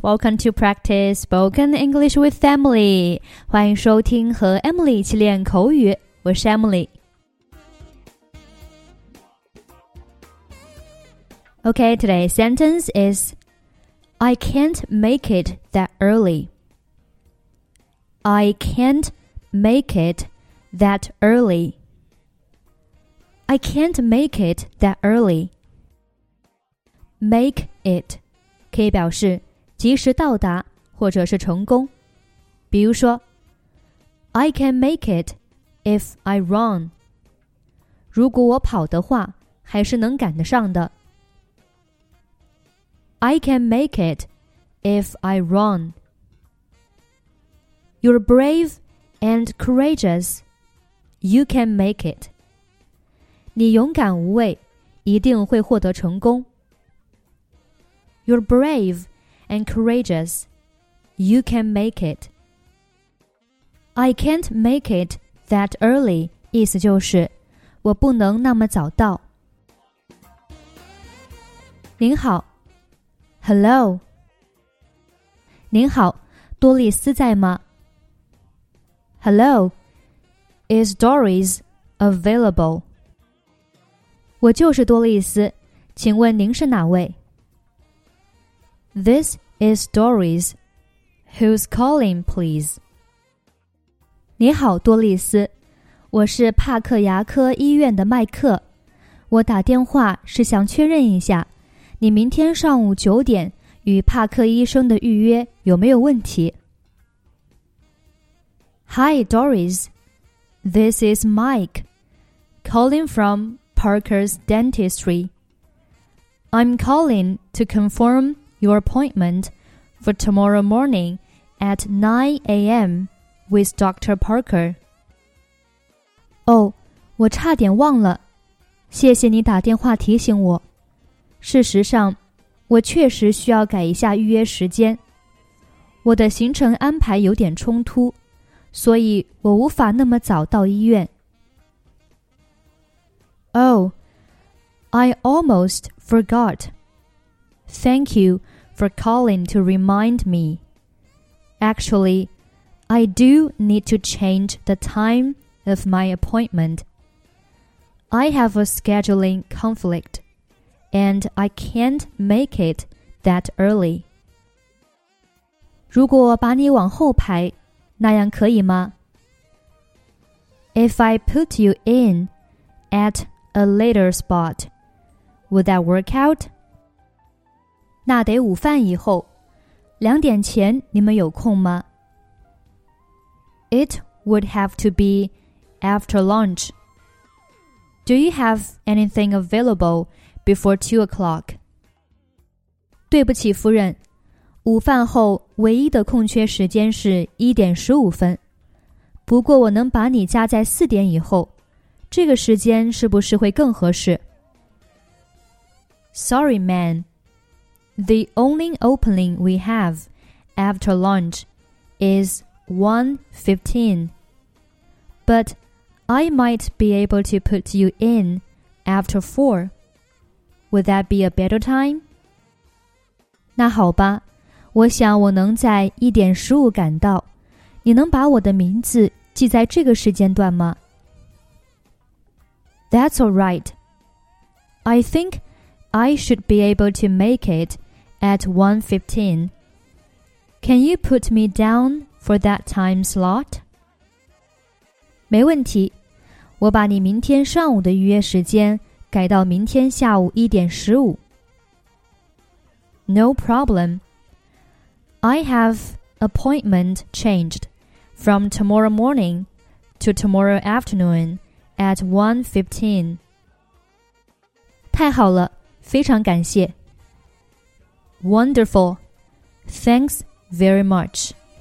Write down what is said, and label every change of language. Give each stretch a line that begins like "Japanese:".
English: Welcome to Practice Spoken English with Emily.
Chinese: 欢迎收听和 Emily 一起练口语。我是 Emily。
English: Okay, today's sentence is, I can't make it that early. I can't make it that early. I can't make it that early. Make it.
Chinese: 可以表示及时到达或者是成功。比如说
English: I can make it if I run.
Chinese: 如果我跑的话还是能赶得上的。
English: I can make it if I run. You're brave and courageous. You can make it.
Chinese: 你勇敢无畏一定会获得成功。
English: You're brave and courageous. You can make it. I can't make it that early.
Chinese: 意思就是我不能那么早到。您好。
English: Hello.
Chinese: 您好,多丽丝在吗?
English: Hello. Is Doris available?
Chinese: 我就是多丽丝,请问您是哪位?
English: This is Doris. Who's calling, please?
Chinese: 你好，多丽丝。我是帕克牙科医院的麦克。我打电话是想确认一下，你明天上午九点与帕克医生的预约有没有问题。
English: Hi, Doris. This is Mike, calling from Parker's Dentistry. I'm calling to confirm... Your appointment for tomorrow morning at 9 a.m. with Dr. Parker.
Chinese: Oh, 我差点忘了。谢谢你打电话提醒我。事实上，我确实需要改一下预约时间。我的行程安排有点冲突，所以我无法那么早到医院。
English: Oh, I almost forgot. Thank you for calling to remind me. Actually, I do need to change the time of my appointment. I have a scheduling conflict, and I can't make it that early.
Chinese: 如果把你往后排，那样可以吗?
English: If I put you in at a later spot, would that work out?
Chinese: 那得午饭以后，两点前你们有空吗?
English: It would have to be after lunch. Do you have anything available before 2 o'clock?
Chinese: 对不起夫人，午饭后唯一的空缺时间是1:15。不过我能把你加在4以后，这个时间是不是会更合适?
English: Sorry, man. The only opening we have after lunch is 1:15. But I might be able to put you in after 4. Would that be a better time?
Chinese: 那好吧，我想我能在1:15赶到。你能把我的名字记在这个时间段吗?
English: That's all right. I think I should be able to make it. At 1:15, can you put me down for that time slot?
Chinese: 没问题，我把你明天上午的预约时间改到明天下午1:15。
English: No problem. I have appointment changed from tomorrow morning to tomorrow afternoon at 1:15.
Chinese: 太好了，非常感谢。
English: Wonderful. Thanks very much.